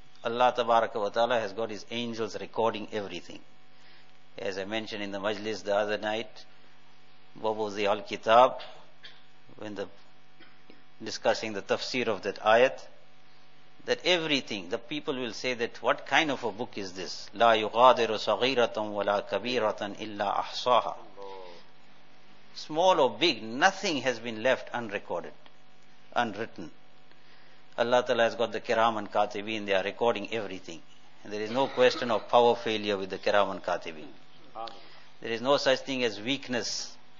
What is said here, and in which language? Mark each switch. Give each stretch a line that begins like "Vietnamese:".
English: Allah Tabaraka wa Ta'ala has got His angels recording everything. As I mentioned in the majlis the other night, Babu Zi al-Kitab, when the discussing the tafsir of that ayat, that everything, the people will say that, what kind of a book is this?
Arabic: لا يغادر صغيرة ولا كبيرة إلا أحصاها.
English: Small or big, nothing has been left unrecorded, unwritten. Allah Ta'ala has got the Kiram and Katibin, they are recording everything. And there is no question of power failure with the Kiram and Katibin. There is no such thing as weakness.